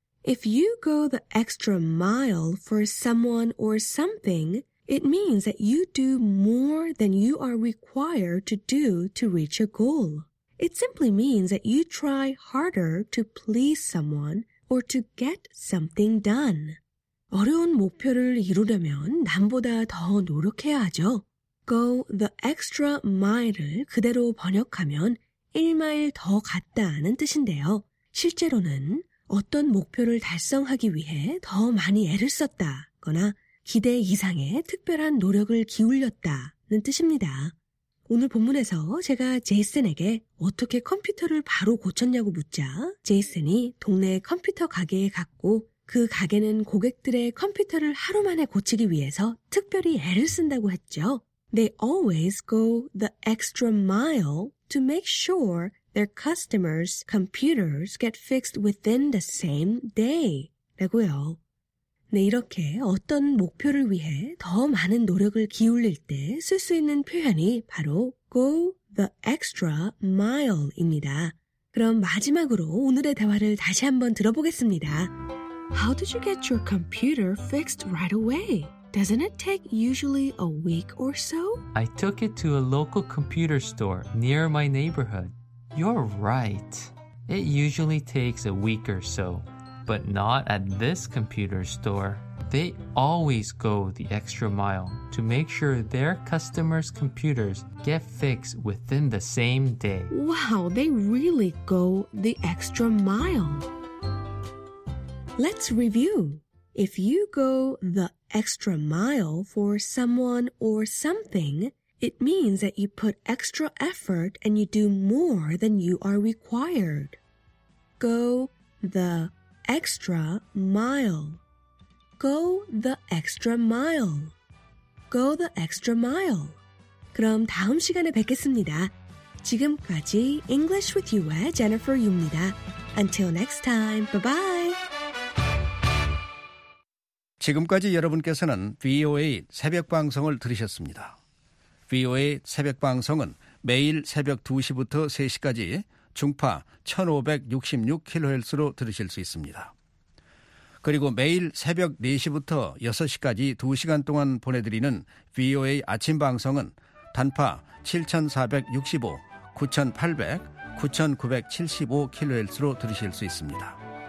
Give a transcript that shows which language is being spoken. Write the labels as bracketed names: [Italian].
[English] If you go the extra mile for someone or something, it means that you do more than you are required to do to reach a goal. It simply means that you try harder to please someone or to get something done. [Korean] 어려운 목표를 이루려면 남보다 더 노력해야 하죠. Go the extra mile을 그대로 번역하면 1마일 더 갔다는 뜻인데요. 실제로는 어떤 목표를 달성하기 위해 더 많이 애를 썼다거나 기대 이상의 특별한 노력을 기울였다는 뜻입니다. 오늘 본문에서 제가 제이슨에게 어떻게 컴퓨터를 바로 고쳤냐고 묻자 제이슨이 동네 컴퓨터 가게에 갔고 그 가게는 고객들의 컴퓨터를 하루 만에 고치기 위해서 특별히 애를 쓴다고 했죠. [English] They always go the extra mile to make sure their customers' computers get fixed within the same day. [Korean] 라고요. 네, 이렇게 어떤 목표를 위해 더 많은 노력을 기울일 때 쓸 수 있는 표현이 바로 go the extra mile입니다. 그럼 마지막으로 오늘의 대화를 다시 한번 들어보겠습니다. [English] How did you get your computer fixed right away? Doesn't it take usually a week or so? I took it to a local computer store near my neighborhood. You're right. It usually takes a week or so, but not at this computer store. They always go the extra mile to make sure their customers' computers get fixed within the same day. Wow, they really go the extra mile. Let's review. If you go the extra mile for someone or something, it means that you put extra effort and you do more than you are required. Go the extra mile. Go the extra mile. Go the extra mile. [Korean] 그럼 다음 시간에 뵙겠습니다. 지금까지 English with You의 Jennifer 유입니다. [English] Until next time, bye-bye! [Korean] 지금까지 여러분께서는 VOA 새벽 방송을 들으셨습니다. VOA 새벽 방송은 매일 새벽 2시부터 3시까지 중파 1566kHz로 들으실 수 있습니다. 그리고 매일 새벽 4시부터 6시까지 2시간 동안 보내드리는 VOA 아침 방송은 단파 7465, 9800, 9975kHz로 들으실 수 있습니다.